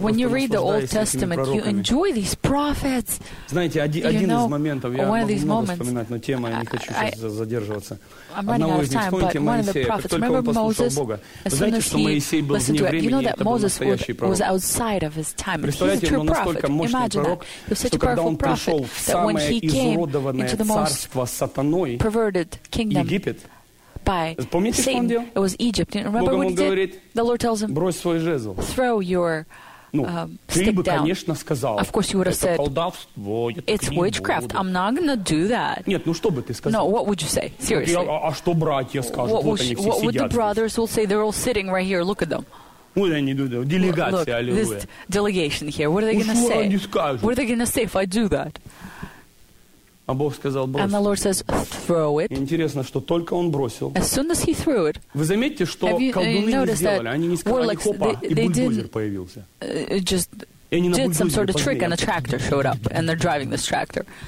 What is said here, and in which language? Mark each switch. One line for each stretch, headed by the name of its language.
English: when you read the Old Testament, you enjoy these prophets.
Russian: Знаете, один из моментов, я могу много вспоминать, но тема, я не хочу сейчас задерживаться. Одного из них, помните Моисея, как только он послушал Бога. Знаете, что Моисей был вне времени, это был настоящий пророк. Представляете, он настолько мощный пророк, что когда он пришел в самое изуродованное царство сатаной, Египет, помните, Satan, что он делал?
English: It was Egypt. Remember
Russian: Богом
English: what he
Russian: говорит,
English: did? The Lord tells him,
Russian: брось свой жезл.
English: Throw your stick down.
Russian: Ты бы, конечно, сказал.
English: Of course you would have said, it's witchcraft. I'm not going to do that.
Russian: Нет, ну что бы ты сказал?
English: No, what would you say? Seriously.
Russian: А что братья скажут? Вот они все сидят.
English: What would the brothers will say? They're all sitting right here. Look at them.
Russian: Вот они, делегация, аллилуйя.
English: Look, this delegation here. What are they going to say? What are they going to say if I do that?
Russian: А Бог сказал, брось.
English: And the Lord says, throw it.
Russian: Интересно, что только он бросил.
English: As soon as he threw it.
Russian: Вы заметите, что колдуны не сделали. Они не сказали, хопа, и бульдозер появился.
English: Just did some sort of trick, and a tractor showed up, and they're driving this tractor.